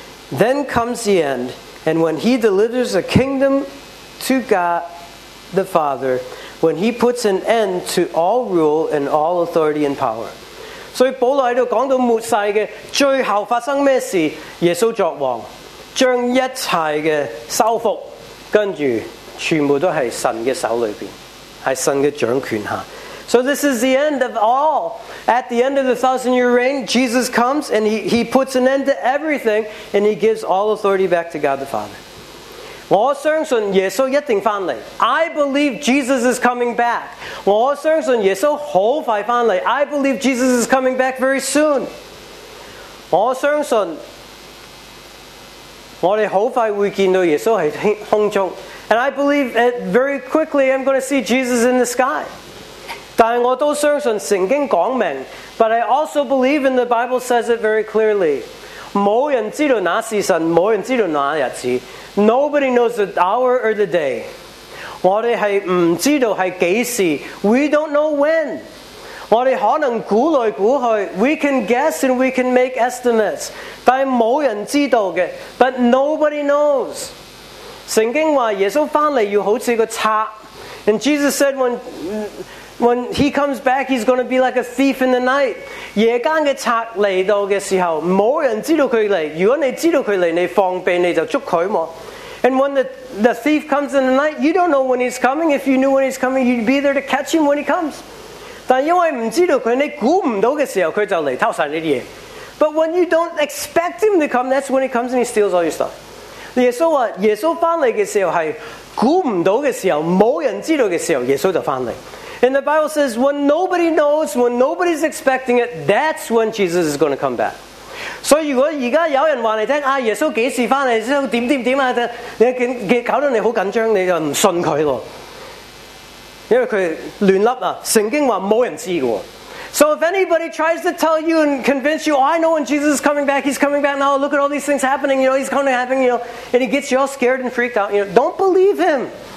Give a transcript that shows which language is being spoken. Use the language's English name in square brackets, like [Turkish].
[English] Then comes the end, and when he delivers a kingdom to God the Father, when he puts an end to all rule and all authority and power. [Chinese] 所以保罗在这里讲到末世的最后发生什么事，耶稣作王，将一切的收复，跟着全部都是神的手里面，是神的掌权下。 [English] So this is the end of all. At the end of the thousand year reign, Jesus comes and he puts an end to everything and he gives all authority back to God the Father. [Chinese] 我相信耶稣一定回来。 [English] I believe Jesus is coming back. [Chinese] 我相信耶稣很快回来。 [English] I believe Jesus is coming back very soon. [Chinese] 我相信我们很快会见到耶稣在空中。 [English] And I believe that very quickly I'm going to see Jesus in the sky. [Chinese] 但我都相信圣经讲明， [English] But I also believe and the Bible says it very clearly. [Chinese] 没人知道哪是神，没人知道哪日子。 [English] Nobody knows the hour or the day. [Chinese] 我们是不知道是几时。 [English] We don't know when. [Chinese] 我们可能估来估去。 [English] We can guess and we can make estimates. [Chinese] 但没人知道的。 [English] But nobody knows. [Chinese] 圣经说耶稣回来要好像个贼。 [English] And Jesus said when he comes back, he's going to be like a thief in the night. [Chinese] 夜间的贼来到的时候，没人知道他来。如果你知道他来，你放屁你就捉他嘛。 [English] And when the thief comes in the night, you don't know when he's coming. If you knew when he's coming, you'd be there to catch him when he comes. [Chinese] 但因为不知道他，你估不到的时候，他就来偷晒你的东西。 [English] But when you don't expect him to come, that's when he comes and he steals all your stuff. [Chinese] 耶稣说，耶稣回来的时候是估不到的时候，没人知道的时候，耶稣就回来。 [English] And the Bible says, when nobody knows, when nobody's expecting it, that's when Jesus is going to come back. [Chinese] 所以如果现在有人说你听，耶稣几时回来，怎么怎么怎么，你搞得你很紧张，你就不信他了。因为他乱粒，圣经说没人知道。 [English] So if anybody tries to tell you and convince you, oh, I know when Jesus is coming back, he's coming back now, look at all these things happening, you know, he's coming happening, you know, and he gets you all scared and freaked out, you know, don't believe him.